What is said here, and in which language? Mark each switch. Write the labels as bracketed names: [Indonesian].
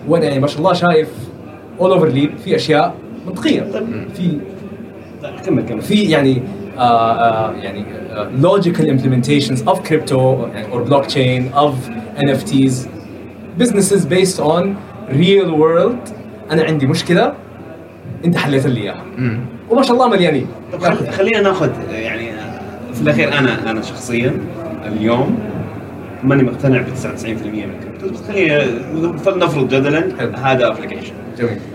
[Arabic] وأنا يعني ما شاء الله شايف [English] all over leap [Arabic] في أشياء منطقية. في كمل في يعني يعني [English] logical implementations of crypto or blockchain of NFTs, businesses based on real world. [Arabic] أنا عندي مشكلة أنت حليت لي إياها وما شاء الله مليانين. خلينا ناخذ يعني في الأخير أنا شخصيا اليوم ماني مقتنع ب 99% من الكريبتوز. بس خلينا نفرض جدلا هذا أبليكيشن جميل.